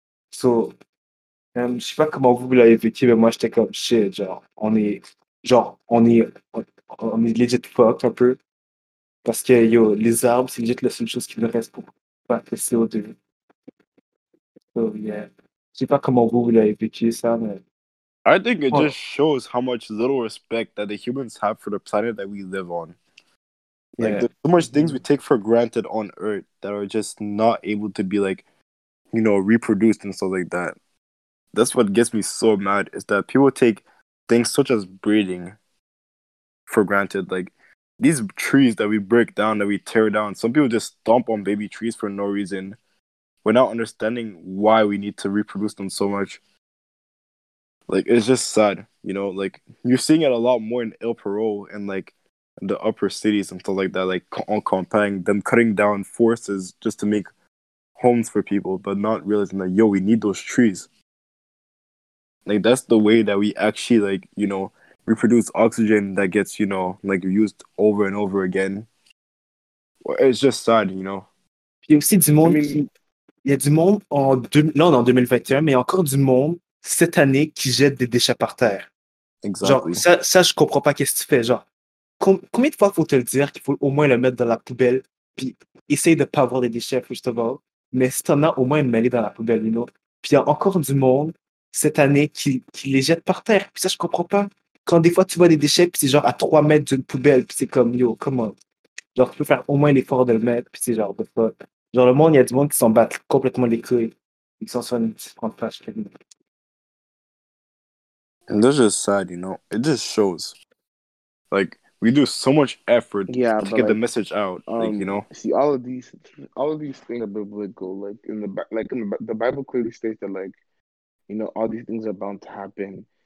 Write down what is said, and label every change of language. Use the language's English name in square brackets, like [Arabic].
[French] So, je ne sais pas comment vous l'avez vécu, mais moi, j'étais comme [English] shit, [French] on est [English] legit fucked [French] un peu. Parce que, yo, les arbres, c'est legit la seule chose qui nous reste pour pas de CO2. So, yeah. Je sais pas comment vous l'avez vécu ça, mais... [English] I think it just shows how much little respect that the humans have for the planet that we live on. Like, there's so much things we take for granted on Earth that are just not able to be, like, you know, reproduced and stuff like that. That's what gets me so mad, is that people take things such as breeding for granted. Like, these trees that we break down, that we tear down, some people just stomp on baby trees for no reason. We're not understanding why we need to reproduce them so much. Like, it's just sad, you know? Like, you're seeing it a lot more in El Perro and, like, the upper cities and stuff like that, like on Kampang, them cutting down forests just to make homes for people, but not realizing that, yo, we need those trees. Like, that's the way that we actually, like, you know, reproduce oxygen that gets, you know, like, used over and over again. It's just sad, you know. [French] Il y a aussi du monde, il y a du monde en non, non, 2021, mais encore du monde cette année qui jette des déchets par terre. [English] Exactly. [French] Genre, ça, je comprends pas qu'est-ce que tu fais. Genre, combien de fois faut te le dire qu'il faut au moins le mettre dans la poubelle, puis essaye de pas avoir des déchets, [English] first of all, [French] mais si t'en as, au moins mêlé dans la poubelle, [English] you know. [French] Puis il y a encore du monde cette année qui les jette par terre. Puis ça, je comprends pas. Quand des fois, tu vois des déchets, puis c'est genre à 3 mètres d'une poubelle, puis c'est comme, yo, [English] come on. [French] Genre, tu peux faire au moins l'effort de le mettre, puis c'est genre, [English] the fuck. [French] Genre, le monde, il y a du monde qui s'en bat complètement les couilles. Ils s'en sont une petite grande page. [English] And that's just sad, you know. It just shows. Like, we do so much effort to get the message out, like, you know. See, all of these things are biblical. Like, in the Bible clearly states that, like, you know, all these things are bound to happen.